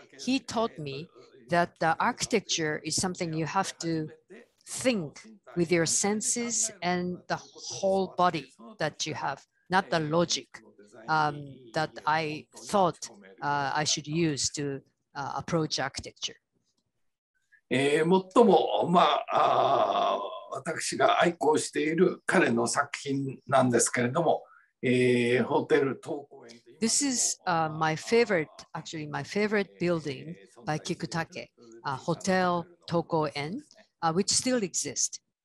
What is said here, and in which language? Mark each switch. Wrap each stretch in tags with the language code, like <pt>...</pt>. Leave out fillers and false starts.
<en>He taught me that the architecture is something you have to think with your senses and the whole body that you have, not the logic that I thought I should use to approach architecture?</en> <ja>最も、まあ、私が愛好している彼の作品なんですけれども、ホテル東高円。</ja> <en>This is my favorite building by Kikutake, Hotel Tokoen, which still exists.</en>